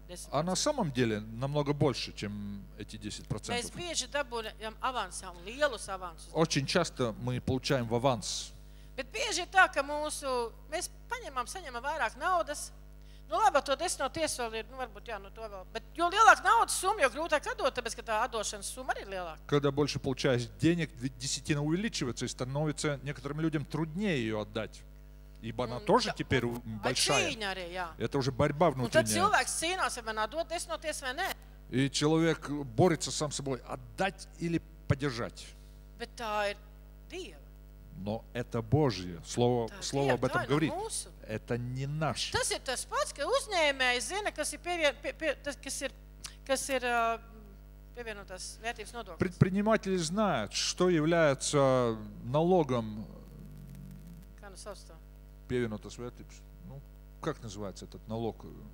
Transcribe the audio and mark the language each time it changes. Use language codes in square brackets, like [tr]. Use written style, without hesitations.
[ru] А на самом деле намного больше, чем эти 10%. Очень часто мы получаем в аванс. [lv] Bet bieži ir tā, ka mūsu, mēs paņemam, saņemam vairāk naudas. Nu, labi, to desmito tiesu vēl ir, nu, varbūt, jā, nu, to vēl. Bet jo lielāka naudas summa, jo grūtāk atdot, tāpēc, ka tā atdošanas summa arī ir lielāka. [ru] Когда больше получаешь денег, десятина увеличивается, и становится некоторым людям труднее ее отдать. Ибо она тоже теперь большая. [lv] Arī, jā. [ru] Это уже борьба внутренняя. [lv] Un tad cilvēks cīnās, vai man atdot desmito tiesu vai nē. [ru] И человек борется сам собой, отдать или подержать. [lv] Bet tā ir Dieva. [ru] Но это Божье. Слово, [lv] tā, [ru] слово об этом [lv] tā, [ru] говорит. [lv] Nu, [ru] это не наше. [lv] Tas ir tas pats, ka uzņēmējs zina, kas ir pievienotās vērtības nodoklis. [ru] Предприниматели знают, что является налогом. [lv] Kā nu sauc to? Pievienotās vērtības. [ru] Ну, как называется этот налог?